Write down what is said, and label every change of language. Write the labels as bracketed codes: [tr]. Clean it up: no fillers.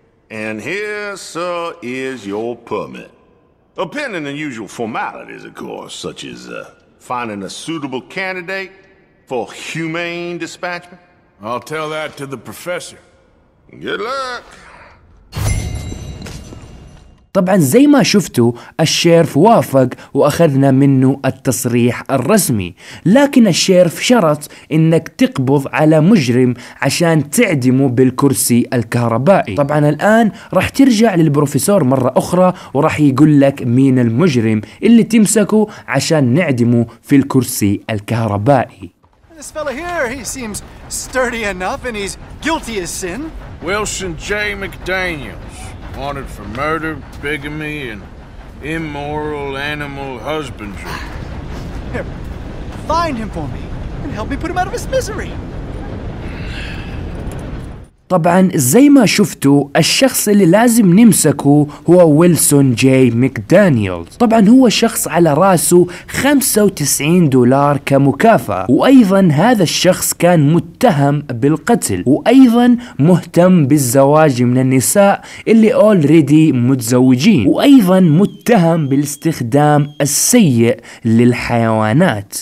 [en] And here, sir, is your permit. Pending the usual formalities, of course, such as finding a suitable candidate for humane dispatchment. I'll tell that to the professor. Good luck. [ar] طبعا زي ما شفتوا الشيرف وافق واخذنا منه التصريح الرسمي، لكن الشيرف شرط انك تقبض على مجرم عشان تعدمه بالكرسي الكهربائي. طبعا الان راح ترجع للبروفيسور مره اخرى وراح يقول لك مين المجرم اللي تمسكه عشان نعدمه في الكرسي الكهربائي. [en] This fella here, he seems sturdy enough and he's guilty of sin. Wilson J. McDaniels, wanted for murder, bigamy, and immoral animal husbandry. Here, find him for me and help me put him out of his misery. [ar] طبعا زي ما شفتوا الشخص اللي لازم نمسكه هو ويلسون جاي ماكدانييلز. طبعا هو شخص على راسه $95 كمكافأة، وأيضا هذا الشخص كان متهم بالقتل وأيضا مهتم بالزواج من النساء اللي [en] already [ar] متزوجين، وأيضا متهم بالاستخدام السيء للحيوانات.